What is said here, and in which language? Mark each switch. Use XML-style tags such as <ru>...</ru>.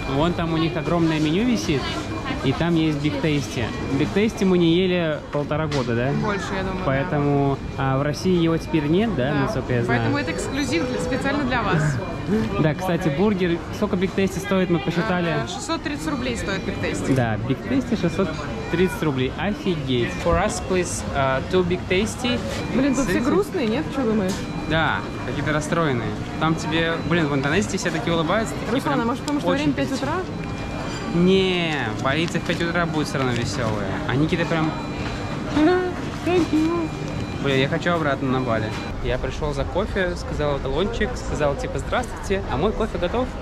<ru>Вон там у них огромное меню висит, и там есть Биг Тейсти. Биг Тейсти мы не ели полтора года, да? Больше, я думаю, поэтому... Да. А в России его теперь нет, да, насколько я знаю? Поэтому это эксклюзив специально для вас. Да, кстати, бургер... Сколько Биг Тейсти стоит, мы посчитали? 630 рублей стоит Биг Тейсти. Да, Биг Тейсти 630 рублей. Офигеть.</ru> <en>For us, please, two Биг Тейсти.</en> <ru>Блин, тут все грустные, нет? Что думаешь? Да, какие-то расстроенные. Там тебе... Блин, в интернете все такие улыбаются. Такие Руслан, прям... а может, потому что время 5 утра? Не, полиция в 5 утра будет все равно веселые. Они какие-то прям...</ru> <en>Thank you.</en> <ru>Блин, я хочу обратно на Бали. Я пришел за кофе, сказал талончик, сказал типа здравствуйте, а мой кофе готов?</ru>